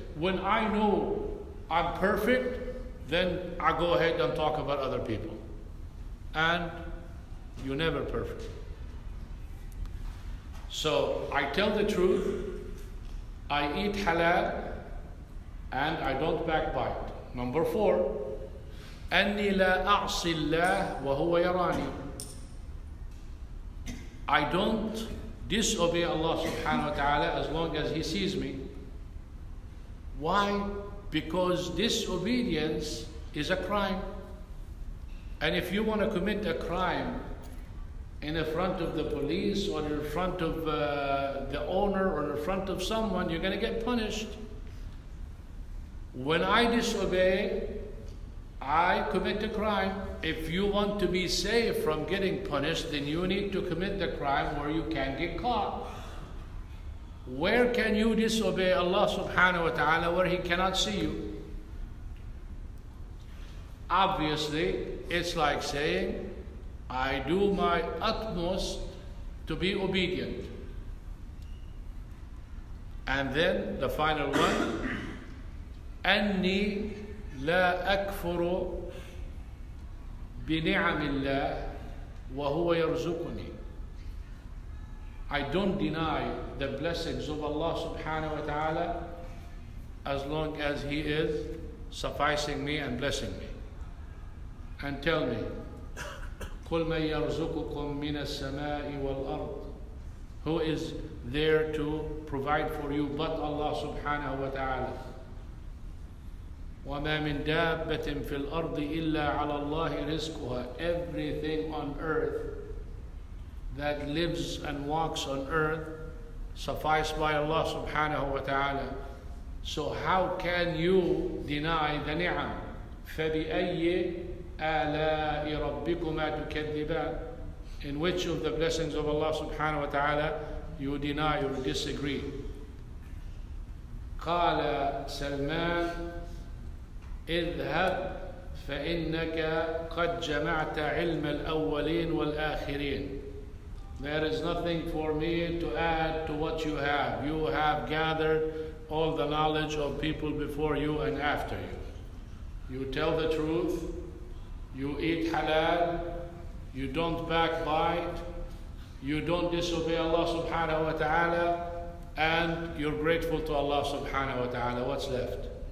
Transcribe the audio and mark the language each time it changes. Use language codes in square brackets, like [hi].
[en] When I know I'm perfect, then I go ahead and talk about other people. And you're never perfect. So I tell the truth, I eat halal, and I don't backbite. Number four, [ar] أَنِّي لَا أَعْصِي اللَّهِ وَهُوَ يَرَانِي. [en] I don't disobey Allah subhanahu wa ta'ala as long as He sees me. Why? Because disobedience is a crime. And if you want to commit a crime in the front of the police or in front of the owner or in front of someone, you're going to get punished. When I disobey, I commit a crime. If you want to be safe from getting punished, then you need to commit the crime where you can get caught. Where can you disobey Allah subhanahu wa ta'ala where He cannot see you? Obviously, it's like saying, I do my utmost to be obedient. And then the final one, [ar] أني لا أكفر بنعم الله وهو يرزقني. [en] I don't deny the blessings of Allah subhanahu wa ta'ala as long as He is sufficing me and blessing me. And tell me, [ar] قُلْ مَنْ يَرْزُقُكُمْ مِنَ السَّمَاءِ وَالْأَرْضِ. [en] Who is there to provide for you but Allah subhanahu wa ta'ala? [ar] وَمَا مِنْ دَابَّةٍ فِي الْأَرْضِ إِلَّا عَلَى اللَّهِ رِزْقُهَا. [en] Everything on earth that lives and walks on earth suffice by Allah subhanahu wa ta'ala. So how can you deny the ni'am? [ar] فَبِأَيِّ آلَاءِ رَبِّكُمَا تُكَذِّبَانِ. [en] In which of the blessings of Allah subhanahu wa ta'ala you deny or disagree? [ar] قَالَ سَلْمَانِ اذهب فإنك قد جمعت علم الأولين والآخرين. [en] There is nothing for me to add to what you have. You have gathered all the knowledge of people before you and after you. You tell the truth, you eat halal, you don't backbite, you don't disobey Allah subhanahu wa ta'ala, and you're grateful to Allah subhanahu wa ta'ala. What's left?